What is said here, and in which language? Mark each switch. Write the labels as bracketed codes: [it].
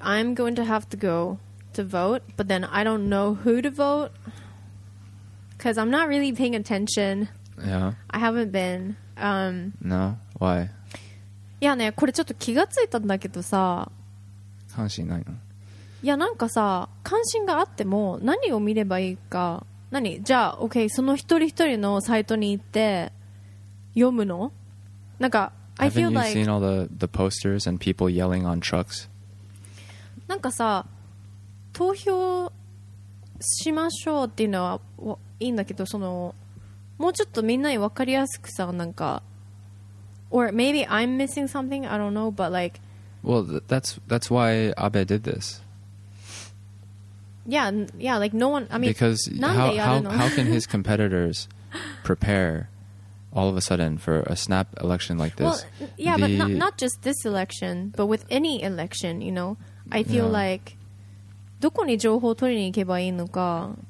[en] I'm going to have to go to vote, but then I don't know who to vote because I'm not really paying attention. Yeah. I haven't been. No? Why? [ja] いやね、これちょっと気がついたんだけどさ。関心ないの？いや、なんかさ、関心があっても何を見ればいいか。何？じゃあ、OK、その一人一人のサイトに行って読むの？なんか、 [en] I feel like... Haven't you seen all the posters and people yelling on trucks? [ja] なんかさ、投票しましょうっていうのはいいんだけど、その、もうちょっとみんなに分かりやすくさ、なんか、 [en] or maybe I'm missing something, I don't know, but like... Well, that's why Abe did this. Yeah, yeah, like no one... I mean, because how can his competitors prepare... All of a sudden, for a snap election like this. Well, yeah, but not just this election, but with any election, you know? I feel like... [ja] どこに情報を取りに行けばいいのか?